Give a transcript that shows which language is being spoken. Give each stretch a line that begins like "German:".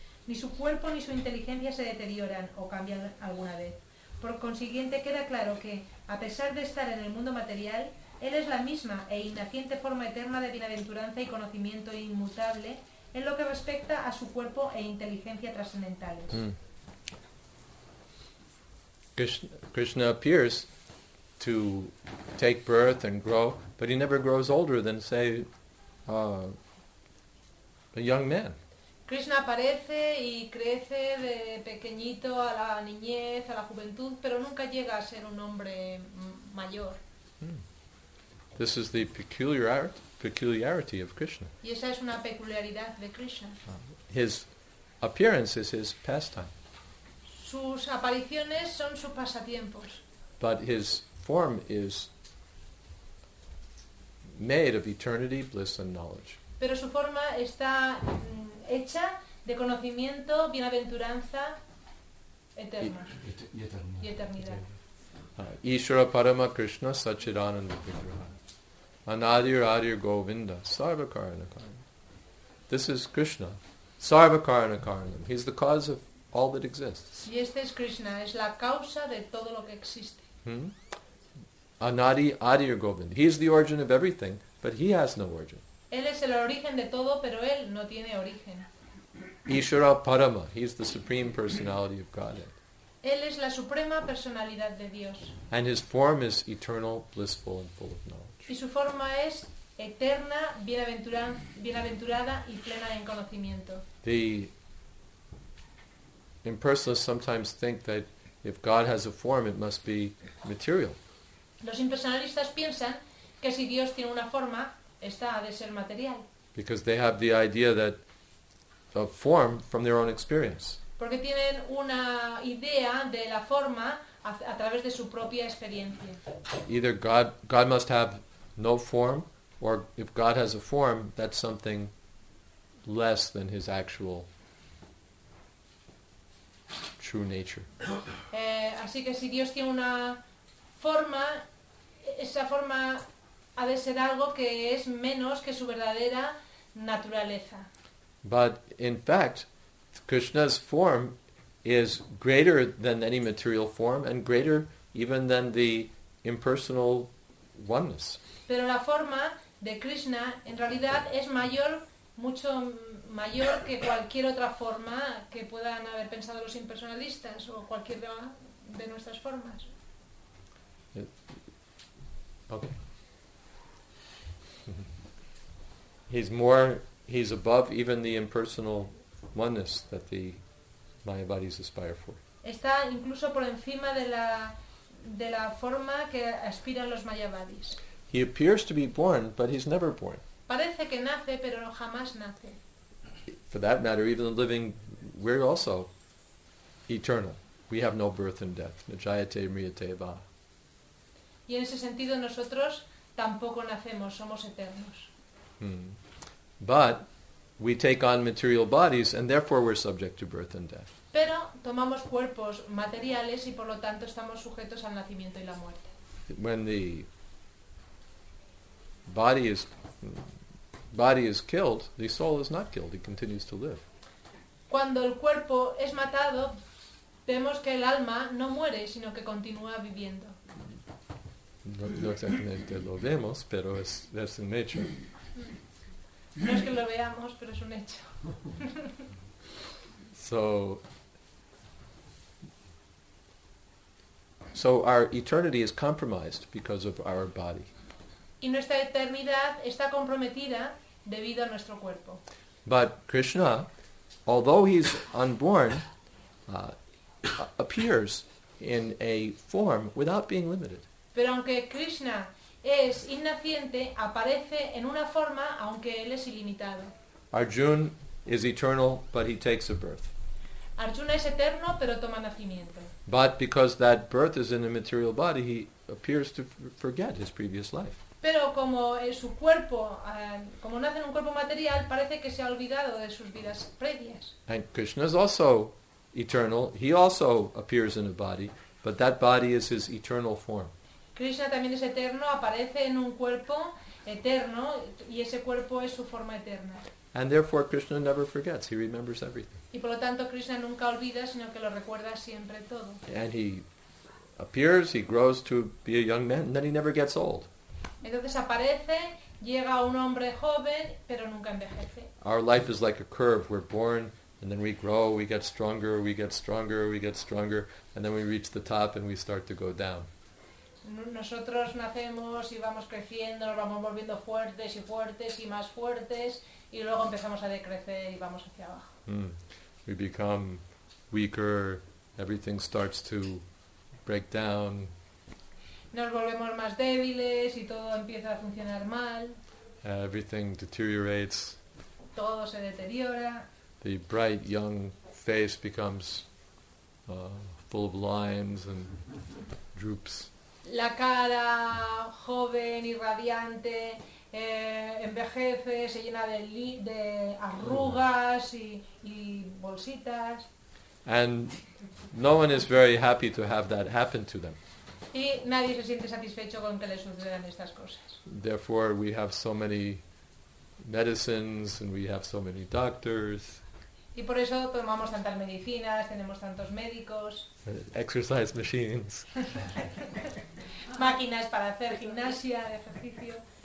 Spanish: Ni su cuerpo ni su inteligencia se deterioran o cambian alguna vez. Por consiguiente, queda claro que, a pesar de estar en el mundo material, él es la misma e innaciente forma eterna de bienaventuranza y conocimiento inmutable en lo que respecta a su cuerpo e inteligencia trascendentales.
English: Krishna appears to take birth and grow, but he never grows older than, say, a young man.
Spanish: Krishna aparece y crece de pequeñito a la niñez, a la juventud, pero nunca llega a ser un hombre mayor.
English: This is the peculiarity of Krishna.
Spanish: Y esa es una peculiaridad de Krishna.
English: His appearance is his pastime.
Spanish: Sus apariciones son sus pasatiempos.
English: But his form is made of eternity, bliss and knowledge.
Spanish: Pero su forma está hecha de conocimiento, bienaventuranza eterna. Y eternidad.
Sanskrit: Ishvara Parama Krishna Sachidananda Vigraha. Anadir Adir Govinda Sarvakarana Karanam.
English: This is Krishna.
Sanskrit: Sarvakarana Karanam.
English: He's the cause of all that exists.
Spanish: Y este es Krishna, es la causa de todo lo que existe.
Sanskrit: Anadi Adir Govinda.
English: He is the origin of everything, but he has no origin.
Spanish: Él es el origen de todo, pero él no tiene origen.
Sanskrit: Ishvara Parama.
English: He is the supreme personality of Godhead.
Spanish: Él es la suprema personalidad de Dios.
English: And his form is eternal, blissful, and full of knowledge.
Spanish: Y su forma es eterna, bienaventurada y plena en conocimiento.
English: The impersonalists sometimes think that if God has a form, it must be material.
Spanish: Los impersonalistas piensan que si Dios tiene una forma, esta ha de ser material.
English: Because they have the idea that a form from their own experience.
Spanish: Porque tienen una idea de la forma a través de su propia experiencia.
English: Either God must have no form, or if God has a form, that's something less than his actual true nature.
Spanish: Así que si Dios tiene una forma, esa forma ha de ser algo que es menos que su verdadera naturaleza.
English: But in fact, Krishna's form is greater than any material form and greater even than the impersonal oneness.
Spanish: Pero la forma de Krishna en realidad es mayor, mucho mayor que cualquier otra forma que puedan haber pensado los impersonalistas o cualquier de nuestras formas.
English: Okay. He's above even the impersonal oneness that the Mayavadis aspire for.
Spanish: Está incluso por encima de la forma que aspiran los Mayavadis.
English: He appears to be born, but he's never born.
Spanish: Parece que nace, pero jamás nace.
English: For that matter, even the living, we're also eternal. We have no birth and death.
Sanskrit: Nijayate mriyate va.
Spanish: Y en ese sentido nosotros tampoco nacemos, somos eternos.
English: But we take on material bodies and therefore we're subject to birth and death.
Spanish: Pero tomamos cuerpos materiales y por lo tanto estamos sujetos al nacimiento y la muerte.
English: When the body is killed, the soul is not killed, it continues to live.
Spanish: Cuando el cuerpo es matado, vemos que el alma no muere, sino que continúa viviendo. No exactamente lo vemos, pero es un hecho. No es que lo veamos, pero es un hecho.
English: So our eternity is compromised because of our body.
Spanish: Y nuestra eternidad está comprometida debido a nuestro cuerpo.
English: But Krishna, although he's unborn, appears in a form without being limited.
Spanish: Pero aunque Krishna es innaciente, aparece en una forma aunque él es ilimitado.
English: Arjuna is eternal, but he takes a birth.
Spanish: Arjuna es eterno, pero toma nacimiento.
English: But because that birth is in a material body, he appears to forget his previous life.
Spanish: Pero como su cuerpo, como nace en un cuerpo material, parece que se ha olvidado de sus vidas previas.
English: And Krishna is also eternal. He also appears in a body, but that body is his eternal form.
Spanish: Krishna también es eterno, aparece en un cuerpo eterno, y ese cuerpo es su forma eterna.
English: And therefore Krishna never forgets, he remembers everything.
Spanish: Y por lo tanto Krishna nunca olvida, sino que lo recuerda siempre todo.
English: And he appears, he grows to be a young man, and then he never gets old.
Spanish: Entonces aparece, llega un hombre joven, pero nunca envejece.
English: Our life is like a curve. We're born, and then we grow, we get stronger, we get stronger, we get stronger, and then we reach the top and we start to go down.
Spanish: Nosotros nacemos y vamos creciendo, nos vamos volviendo fuertes y fuertes y más fuertes, y luego empezamos a decrecer y vamos hacia abajo.
English: We become weaker, everything starts to break down.
Spanish: Nos volvemos más débiles y todo empieza a funcionar mal.
English: Everything deteriorates.
Spanish: Todo se deteriora.
English: The bright young face becomes full of lines and droops.
Spanish: La cara joven y radiante envejece, se llena de arrugas y bolsitas.
English: And no one is very happy to have that happen to them.
Spanish: Y nadie se siente satisfecho con que le sucedan estas cosas.
English: Therefore we have so many medicines and we have so many doctors.
Spanish: Y por eso tomamos tantas medicinas, tenemos tantos médicos.
English: Exercise machines.
Spanish: Máquinas para hacer gimnasia, de ejercicio.